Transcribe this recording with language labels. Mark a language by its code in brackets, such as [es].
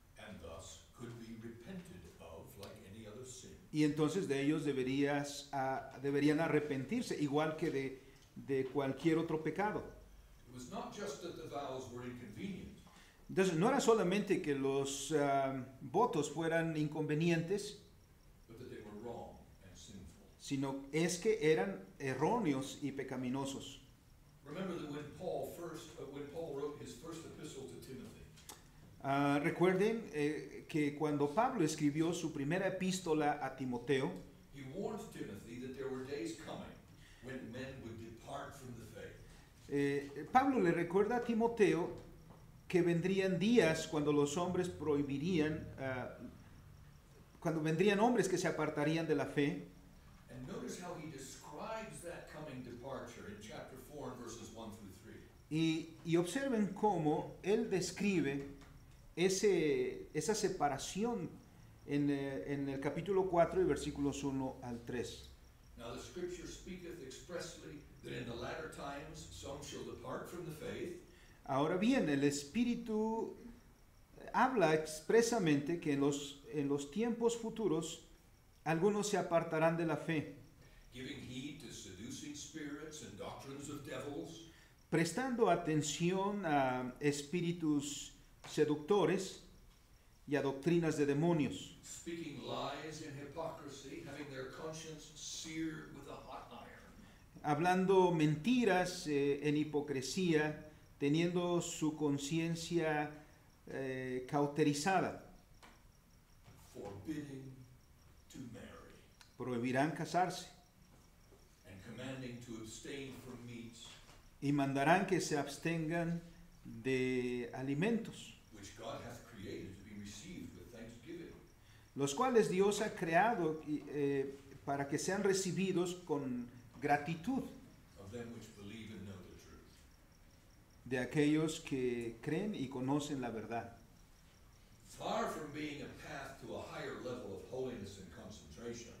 [en] And thus could be repented of like any other sin. [es] Y entonces de ellos deberían arrepentirse igual que de cualquier otro pecado. [en] It was not just that the vows were inconvenient. [es] Entonces, no era solamente que los votos fueran inconvenientes, [en] but that they were wrong and sinful. [es] Sino es que eran erróneos y pecaminosos. [en] Remember that when Paul first, when Paul wrote his first epistle to Timothy. [es] Recuerden que cuando Pablo escribió su primera epístola a Timoteo, [en] he warned Timothy that there were days coming when men would depart from the faith. [es] Pablo le recuerda a Timoteo que vendrían días cuando los hombres prohibirían, cuando vendrían hombres que se apartarían de la fe. [en] And notice how he describes that coming departure in chapter 4 verses 1 through 3. [es] Y observen cómo él describe esa separación en el capítulo 4 y versículos 1 al 3. [en] Now the scripture speaketh expressly that in the latter times some shall depart from the faith. [es] Ahora bien, el Espíritu habla expresamente que en los tiempos futuros algunos se apartarán de la fe, [en] giving heed to seducing spirits and doctrines of devils, [es] prestando atención a espíritus seductores y a doctrinas de demonios, [en] speaking lies and hypocrisy, having their conscience seared with a hot iron, [es] hablando mentiras en hipocresía, teniendo su conciencia cauterizada. [en] Forbidding to marry. [es] Prohibirán casarse. [en] And commanding to abstain from meats. [es] Y mandarán que se abstengan de alimentos. [en] Which God hath created to be received with thanksgiving. [es] Los cuales Dios ha creado para que sean recibidos con gratitud. [en] Of them which believe and know. [es] De aquellos que creen y conocen la verdad. [en] Far from being a path to a higher level of holiness and concentration.